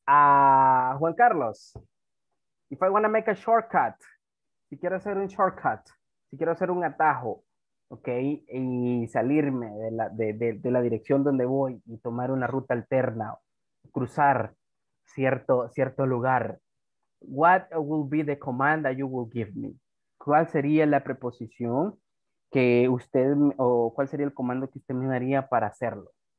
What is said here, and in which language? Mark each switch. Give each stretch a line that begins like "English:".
English: Juan Carlos, if I want to make a shortcut,
Spanish: si quiero hacer un atajo, Okay, y salirme de la, de la dirección donde voy y tomar una ruta alterna, cruzar cierto lugar.
English: What will be the command that you will give me?
Spanish: ¿Cuál sería la preposición que usted, o cuál sería el comando que usted me daría para hacerlo?